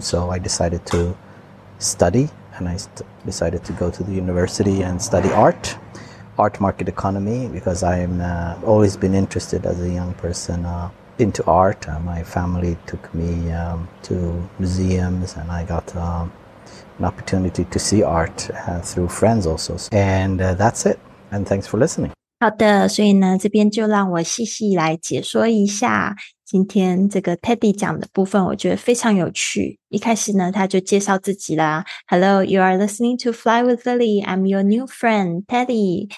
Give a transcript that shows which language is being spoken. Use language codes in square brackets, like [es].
[en] So I decided to study, and I decided to go to the university and study art market economy, because I'm always been interested as a young person into art. My family took me to museums, and I got an opportunity to see art through friends also. And that's it. And thanks for listening. [zh] 好的，所以呢，这边就让我细细来解说一下今天这个 Teddy 讲的部分，我觉得非常有趣。一开始呢，他就介绍自己啦。 [en] Hello, you are listening to Fly with Lily. I'm your new friend, Teddy.